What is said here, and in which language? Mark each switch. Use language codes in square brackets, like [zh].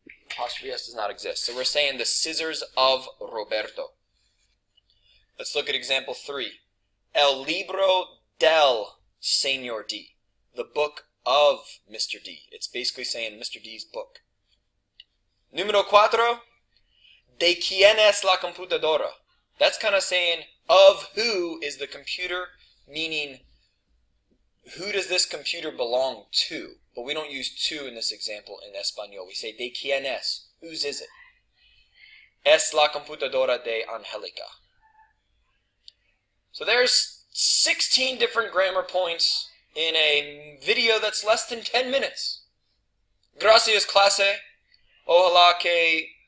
[en] Apostrophe S does not exist. So we're saying the scissors of Roberto. Let's look at example three. [es] El libro del señor D. [en] The book of Mr. D. It's basically saying Mr. D's book. [es] Número cuatro. ¿De quién es la computadora? [en] That's kind of saying, of who is the computer, meaning who does this computer belong to? But we don't use to in this example in Espanol. We say, [es] ¿de quién es? [en] Whose is it? [es] Es la computadora de Angélica. [en] So there's 16 different grammar points in a video that's less than 10 minutes. [es] Gracias, clase. Ojalá que